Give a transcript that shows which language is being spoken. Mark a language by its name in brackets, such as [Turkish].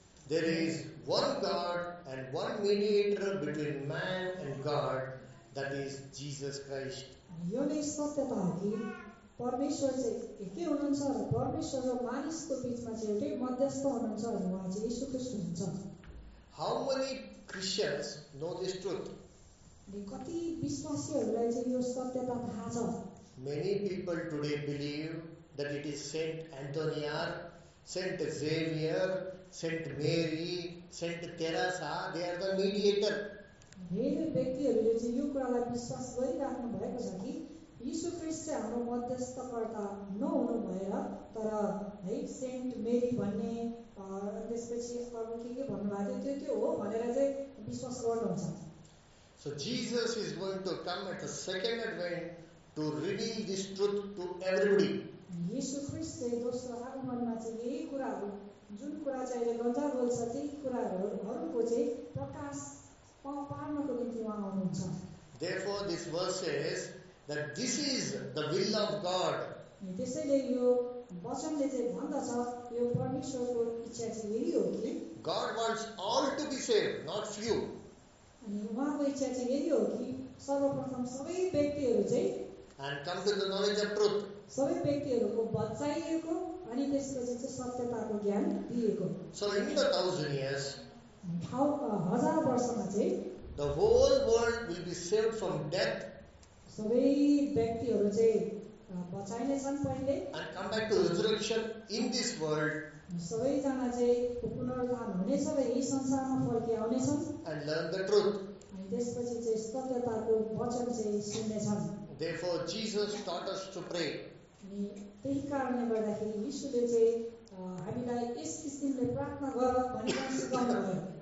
[English] There is one God and one mediator between man and God, that is Jesus Christ. [Nepali] यो नै सत्यता हो कि परमेश्वर चाहिँ एकै हुनुहुन्छ र परमेश्वर र मानिसको बीचमा चाहिँ एउटै मध्यस्थ हुनुहुन्छ, उहाँ चाहिँ येशू ख्रीष्ट हुनुहुन्छ. [English] How many Christians know this truth? [Nepali] कति विश्वासीहरूलाई चाहिँ यो सत्यता थाहा छ? [English] Many people today believe that it is Saint Antonia, Saint Xavier, Saint Mary, Saint Teresa, they are the mediator. [Nepali] धेरै व्यक्तिहरूले चाहिँ यो कुरालाई विश्वास गरिराख्नु भएको छ कि यीशु ख्रीष्ट चाहिँ हाम्रो मध्यस्थकर्ता नहुनु भएर तर है सेन्ट मेरी भन्ने त्यसपछि अरू के भन्नुभएको थियो त्यो हो भनेर चाहिँ विश्वास गर्नुहुन्छ. [English] So Jesus is going to come at the second advent to reveal this truth to everybody. [Nepali] येशू ख्रीष्ट चाहिँ दोस्रो आगमनमा चाहिँ यही कुराहरू जुन कुरा चाहिँ अहिले गन्जा बोल्छ त्यही कुराहरूको चाहिँ प्रकाश पार्नको निम्ति उहाँ आउनुहुन्छ. [English] Therefore this verse says that this is the will of God. [Nepali] त्यसैले यो वचनले चाहिँ भन्दछ यो परमेश्वरको इच्छा चाहिँ यही हो कि [English] God wants all to be saved, not few. [Nepali] उहाँको इच्छा चाहिँ यही हो कि सर्वप्रथम सबै व्यक्तिहरू चाहिँ सबै व्यक्तिहरूको बचाइएको अनि त्यसपछि सत्यताको ज्ञान दिएको. हजार वर्षमा चाहिँ सबै व्यक्तिहरू चाहिँ बचाइनेछन् पहिले [English] and come back to resurrection in this world. [Nepali] सबैजना चाहिँ पुनरुत्थान हुनेछ र यही संसारमा फर्किआउनेछन् [English] and learn the truth. [Nepali] त्यसपछि चाहिँ सत्यताको वचन चाहिँ सुन्नेछन्. [English] Therefore Jesus taught us to pray. [Nepali] त्यही कारणले गर्दाखेरि यीशुले चाहिँ हामीलाई यस किसिमले प्रार्थना गर भनेर सिकाउनु भयो.